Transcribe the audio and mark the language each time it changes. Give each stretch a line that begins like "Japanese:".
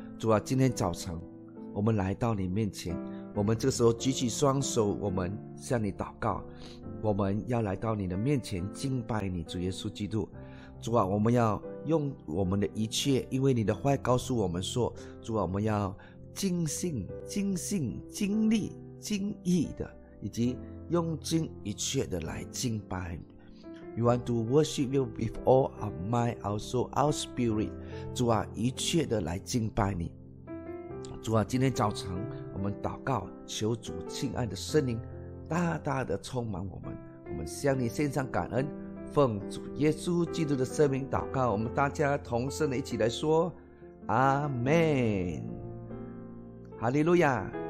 Chinese: 主啊，今天早晨我们来到你面前，我们这时候举起双手，我们向你祷告，我们要来到你的面前敬拜你，主耶稣基督。主啊，我们要用我们的一切，因为你的话告诉我们说，主啊，我们要尽心尽力尽意的，以及用尽一切的来敬拜。
English: You want to worship you with all our mind, our soul, our spirit.
Chinese: 主啊，一切的来敬拜你。主啊，今天早晨我们祷告，求主亲爱的圣灵大大的充满我们，我们向你献上感恩，奉主耶稣基督的圣名祷告，我们大家同声的一起来说，阿门，哈利路亚。